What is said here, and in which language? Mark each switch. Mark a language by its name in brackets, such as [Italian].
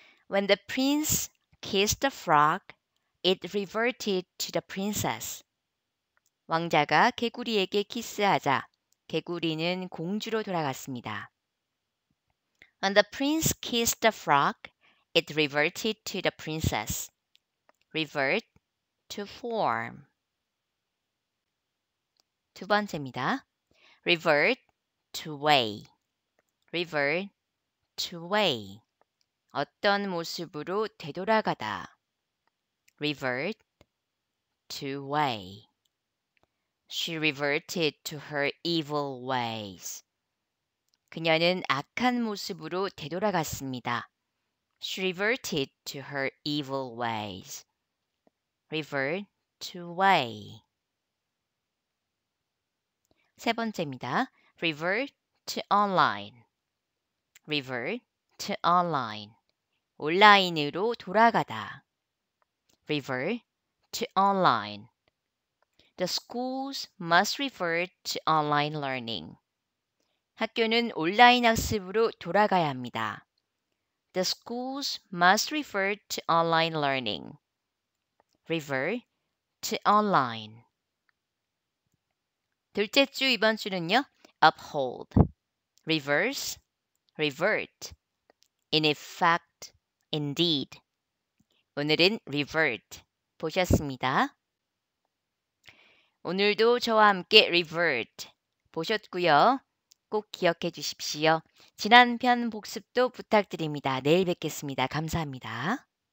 [English] When the prince kissed the frog, it reverted to the princess. [Korean] 왕자가 개구리에게 키스하자 개구리는 공주로 돌아갔습니다. [English] When the prince kissed the frog, it reverted to the princess. Revert to form. [Korean] 두 번째입니다. [English] Revert to way. Revert to way. [Korean] 어떤 모습으로 되돌아가다. [English] Revert to way. She reverted to her evil ways. [Korean] 그녀는 악한 모습으로 되돌아갔습니다. [English] She reverted to her evil ways. Revert to way. [Korean] 세 번째입니다. [English] Revert to online. Revert to online. [Korean] 온라인으로 돌아가다. [English] Revert to online. The schools must revert to online learning. [Korean] 학교는 온라인 학습으로 돌아가야 합니다. [English] The schools must revert to online learning. Revert to online. [Korean] 둘째 주, 이번 주는요. [English] Uphold, reverse, revert, in effect, indeed. [Korean] 오늘은 revert 보셨습니다. 오늘도 저와 함께 revert 보셨고요. 꼭 기억해 주십시오. 지난 편 복습도 부탁드립니다. 내일 뵙겠습니다. 감사합니다.